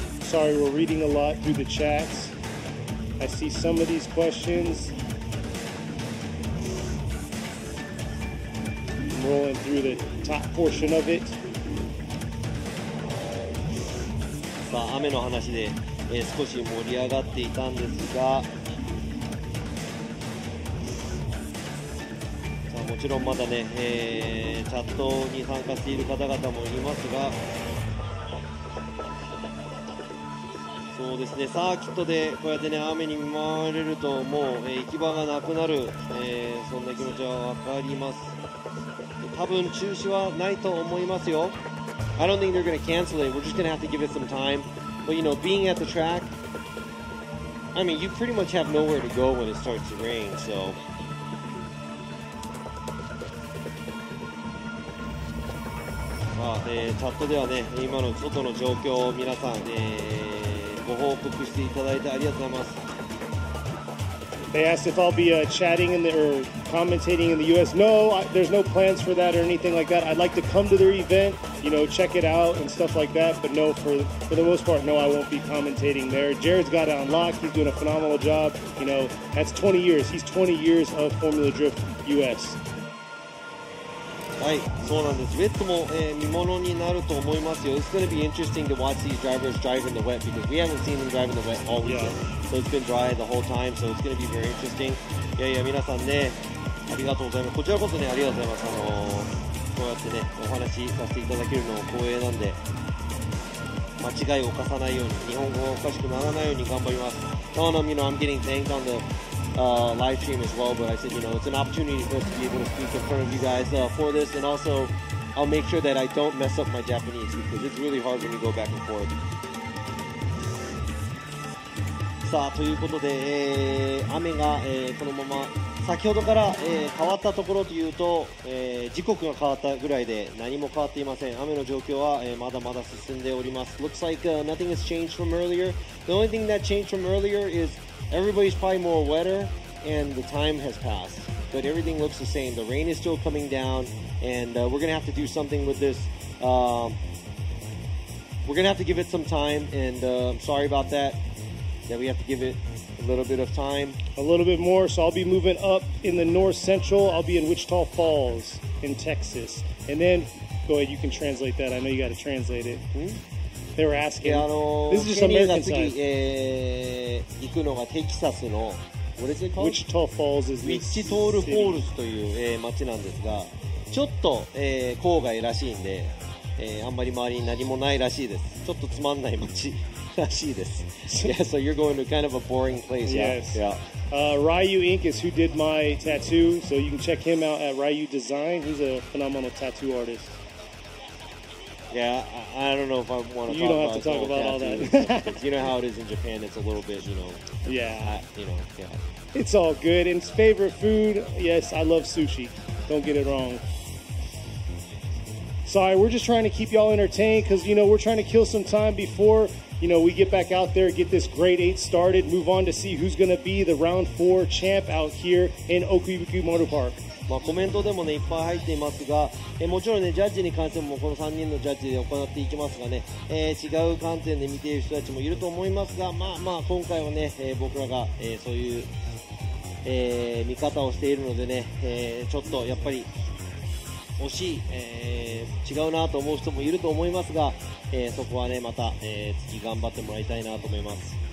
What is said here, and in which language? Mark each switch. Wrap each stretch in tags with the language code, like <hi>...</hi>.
<en>Sorry, we're reading a lot through the chats. I see some of these questions. I'm rolling through the top portion of it.</en> <ja>さあ、雨の話で、少し盛り上がっていたんですが。もちろんまだね、チャットに参加している方々もいますが、そうですね、サーキットでこうやってね、雨に見舞われるともう、行き場がなくなる、そんな気持ちは分かります。多分中止はないと思いますよ。</ja> <en>I don't think they're going to cancel it. We're just going to have to give it some time. But you know, being at the track, I mean, you pretty much have nowhere to go when it starts to rain, so</en> <ja>チャットではね、今の外の状況を皆さん、ご報告していただいてありがとうございます。</ja> <en>They asked if I'll be chatting in the, or commentating in the US. No, there's no plans for that or anything like that. I'd like to come to their event, you know, check it out and stuff like that. But no, for the most part, no, I won't be commentating there. Jared's got it unlocked. He's doing a phenomenal job. You know, that's 20 years. He's 20 years of Formula Drift US.</en> <ja>はい、そうなんです。ウェットも、見ものになると思いますよ。</ja> <en>It's going to be interesting to watch these drivers drive in the wet because we haven't seen them drive in the wet all weekend. Yeah. So it's been dry the whole time, so it's going to be very interesting.</en> <ja>いやいや、皆さんね、ありがとうございます。こちらこそね、ありがとうございます。こうやってね、お話しさせていただけるのも光栄なんで、間違いを犯さないように、日本語がおかしくならないように頑張ります。</ja> <en>No, no, you know, I'm getting thanked on the... live stream as well, but I said, you know, it's an opportunity for us to be able to speak in front of you guys for this, and also I'll make sure that I don't mess up my Japanese because it's really hard when you go back and forth.</en> <ja>さあ、ということで、雨が、このまま先ほどから、変わったところというと、時刻が変わったぐらいで何も変わっていません。雨の状況は、まだまだ進んでおります。</ja> <en>Looks like nothing has changed from earlier. The only thing that changed from earlier isEverybody's probably more wetter and the time has passed, but everything looks the same. The rain is still coming down and we're going to have to do something with this. We're going to have to give it some time and I'm sorry about that, that we have to give it a little bit of time. A little bit more, so I'll be moving up in the north central. I'll be in Wichita Falls in Texas. And then, go ahead, you can translate that. I know you got to translate it. Hmm? They were asking. This is just American size.</en> <ja>ケニーが次、行くのがテキサスの、</ja> <en>What is it called? Wichita Falls is the city.</en> <ja>Wichita Falls という、町なんですが、ちょっと、郊外らしいんで、あんまり周りに何もないらしいです。ちょっとつまんない町らしいです。</ja> <en>Yeah, so you're going to kind of a boring place. Yes. Yeah. Ryu Inc. is who did my tattoo, so you can check him out at Ryu Design. He's a phenomenal tattoo artist. Yeah, I don't know if I want to talk about tattoos. You don't have to talk about all that. You know how it is in Japan, it's a little bit, you know. Yeah. It's all good. And favorite food, yes, I love sushi. Don't get it wrong. Sorry, we're just trying to keep y'all entertained because, you know, we're trying to kill some time before, you know, we get back out there, get this grade eight started, move on to see who's going to be the round four champ out here in Okuibuki Motorpark.</en> <ja>まあ、コメントでも、ね、いっぱい入っていますが、もちろん、ね、ジャッジに関しても、この3人のジャッジで行っていきますが、ね、違う観点で見ている人たちもいると思いますが、まあまあ、今回は、ね、僕らが、そういう、見方をしているので、ね、ちょっとやっぱり惜しい、違うなと思う人もいると思いますが、そこは、ね、また、次頑張ってもらいたいなと思います。</ja>